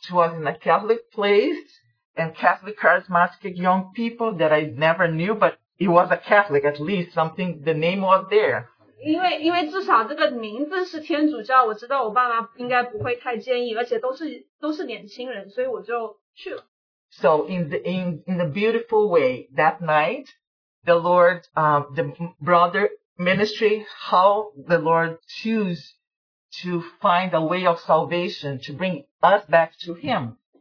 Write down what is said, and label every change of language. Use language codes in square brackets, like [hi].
[en] it was in a Catholic place and Catholic charismatic young people that I never knew, but it was a Catholic at least, something the name was there. [zh] 因为至少这个名字是天主教，我知道我爸妈应该不会太介意，而且都是年轻人，所以我就去了。So [en] in the beautiful way that night, the Lord, the brother. Ministry, how the Lord choose to find a way of salvation to bring us back to Him.